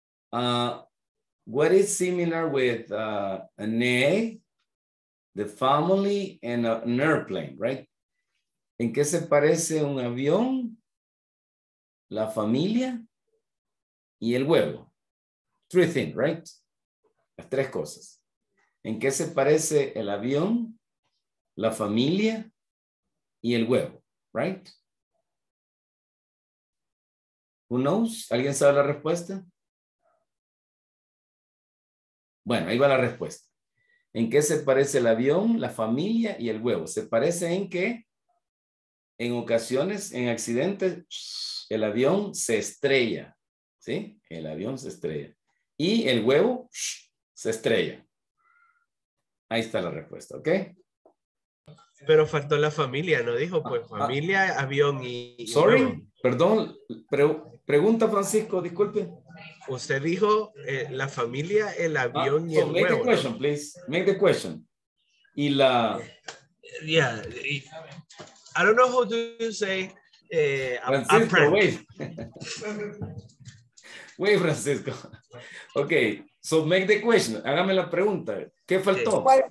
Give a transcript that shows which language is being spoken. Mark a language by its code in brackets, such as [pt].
[en] What is similar with an A, the family, and an airplane, right? [es] ¿En qué se parece un avión, la familia, y el huevo? [en] Three things, right? [es] Las tres cosas. ¿En qué se parece el avión, la familia y el huevo? [en] Right? Who knows? [es] ¿Alguien sabe la respuesta? Bueno, ahí va la respuesta. ¿En qué se parece el avión, la familia y el huevo? ¿Se parece en qué? En ocasiones, en accidentes, el avión se estrella. ¿Sí? El avión se estrella. Y el huevo se estrella. Ahí está la respuesta, ¿ok? Pero faltó la familia, ¿no dijo? Pues familia, avión y... Sorry, perdón, pregunta Francisco, disculpe. Usted dijo la familia, el avión y el huevo. [en] Make the question, [es] ¿no? [en] Please. Make the question. [es] Y la... [en] Yeah. I don't know how do you say... Francisco, wait. Wait, Francisco. Okay, so make the question. [es] Hágame la pregunta. ¿Qué faltó?